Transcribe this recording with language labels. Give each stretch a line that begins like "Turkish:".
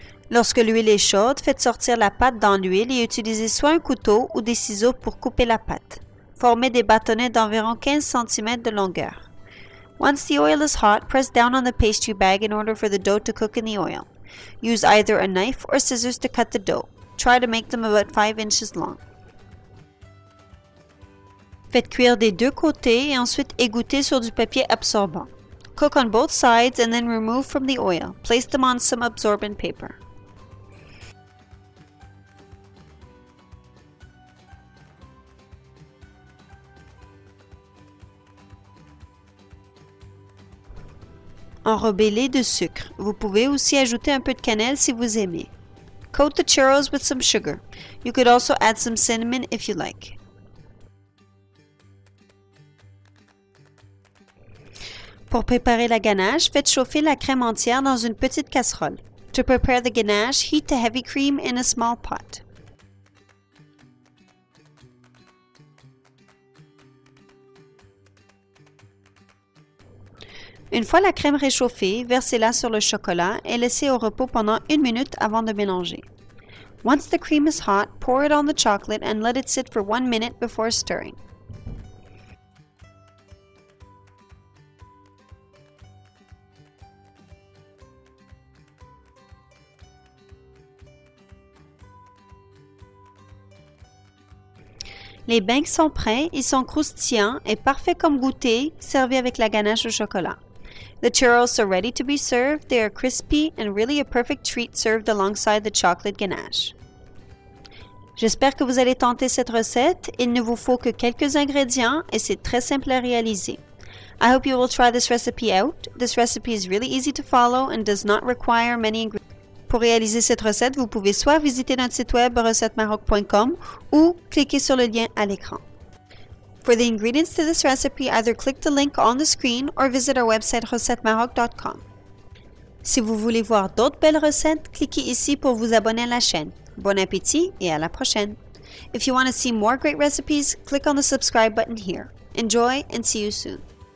French: Lorsque l'huile est chaude, faites sortir la pâte dans l'huile et utilisez soit un couteau ou des ciseaux pour couper la pâte. Formez des bâtonnets d'environ 15 cm de longueur.
English: Once the oil is hot, press down on the pastry bag in order for the dough to cook in the oil. Use either a knife or scissors to cut the dough. Try to make them about 5 inches long.
French: Faites cuire des deux côtés et ensuite égouttez sur du papier absorbant.
English: Cook on both sides and then remove from the oil. Place them on some absorbent paper.
French: Enrobez-les de sucre. Vous pouvez aussi ajouter un peu de cannelle si vous aimez.
English: Coat the churros with some sugar. You could also add some cinnamon if you like.
French: Pour préparer la ganache, faites chauffer la crème entière dans une petite casserole.
English: To prepare the ganache, heat the heavy cream in a small pot.
French: Une fois la crème réchauffée, versez-la sur le chocolat et laissez au repos pendant une minute avant de mélanger.
English: Once the cream is hot, pour it on the chocolate and let it sit for one minute before stirring.
French: Les beignes sont prêts, ils sont croustillants et parfaits comme goûter, servis avec la ganache au chocolat.
English: The churros are ready to be served. They are crispy and really a perfect treat served alongside the chocolate ganache.
French: J'espère que vous allez tenter cette recette. Il ne vous faut que quelques ingrédients et c'est très simple à réaliser.
English: I hope you will try this recipe out. This recipe is really easy to follow and does not require many ingredients.
French: Pour réaliser cette recette, vous pouvez soit visiter notre site web recettemaroc.com ou cliquer sur le lien à l'écran.
English: For the ingredients to this recipe, either click the link on the screen or visit our website recettemaroc.com.
French: Si vous voulez voir d'autres belles recettes, cliquez ici pour vous abonner à la chaîne. Bon appétit et à la prochaine!
English: If you want to see more great recipes, click on the subscribe button here. Enjoy and see you soon!